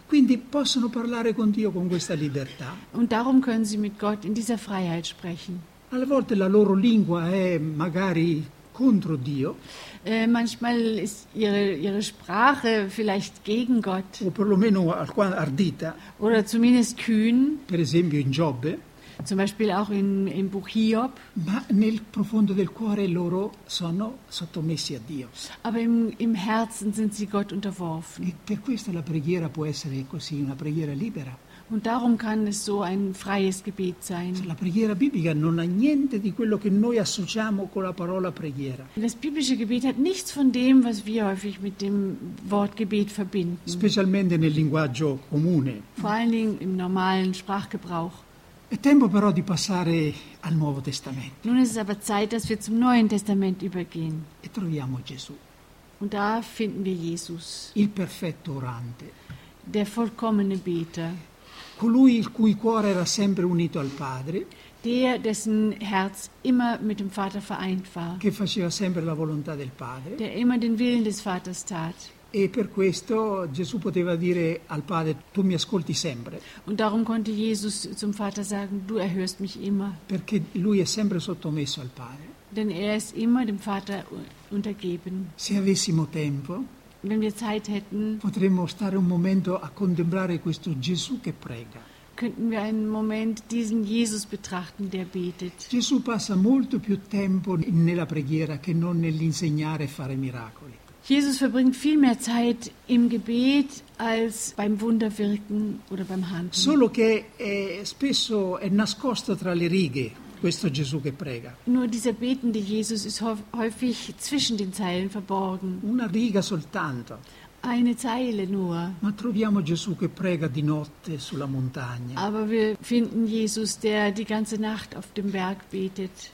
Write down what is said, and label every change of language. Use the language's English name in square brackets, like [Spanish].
[Italian] Quindi possono parlare con Dio con questa libertà. [German] Und darum können sie mit Gott in dieser Freiheit sprechen. [Italian] Alle volte la loro lingua è magari contro Dio. [German] Manchmal ist ihre Sprache vielleicht gegen Gott. [Italian] O perlomeno ardita. [German] Oder zumindest kühn. [Italian] Per esempio in Giobbe. [German] Zum Beispiel auch in Buch Hiob. [Italian] Ma nel profondo del cuore loro sono sottomessi a Dio. [German] Aber im Herzen sind sie Gott unterworfen. [Italian] E per questo la preghiera può essere così, una preghiera libera. [German] Und darum kann es so ein freies Gebet sein. [Italian] La preghiera biblica non ha niente di quello che noi associamo con la parola preghiera. [German] Das biblische Gebet hat nichts von dem, was wir häufig mit dem Wort Gebet verbinden. [Italian] Specialmente nel linguaggio comune. [German] Vor allen Dingen im normalen Sprachgebrauch. [Italian] È tempo però di passare al Nuovo Testamento. [German] Nun ist es aber Zeit, dass wir zum Neuen Testament übergehen. [Italian] E troviamo Gesù. [German] Und da finden wir Jesus. [Italian] Il perfetto orante. [German] Der vollkommene Beter. [Italian] Colui il cui cuore era sempre unito al Padre. [German] Dessen Herz immer mit dem Vater vereint war. [Italian] Che faceva sempre la volontà del Padre. [German] Der immer den Willen des Vaters tat. [Italian] E per questo Gesù poteva dire al Padre, tu mi ascolti sempre. [German] Und darum konnte Jesus zum Vater sagen, du erhörst mich immer. [Italian] Perché lui è sempre sottomesso al Padre. [German] Denn ist immer dem Vater untergeben. [Italian] Se avessimo tempo, [German] wenn wir Zeit hätten, [Italian] potremmo stare un momento a contemplare questo Gesù che prega. [German] Könnten wir einen Moment diesen Jesus betrachten, der betet. [Italian] Gesù passa molto più tempo nella preghiera che non nell'insegnare e fare miracoli. [German] Jesus verbringt viel mehr Zeit im Gebet als beim Wunderwirken oder beim Handeln. [Italian] Solo che spesso è nascosto tra le righe questo Gesù che prega. [German] Nur dieser betende Jesus ist häufig zwischen den Zeilen verborgen. [Italian] Una riga soltanto. [German] Eine Zeile nur. [Italian] Ma troviamo Gesù che prega di notte sulla montagna. [German] Aber wir finden Jesus, der die ganze Nacht auf dem Berg betet.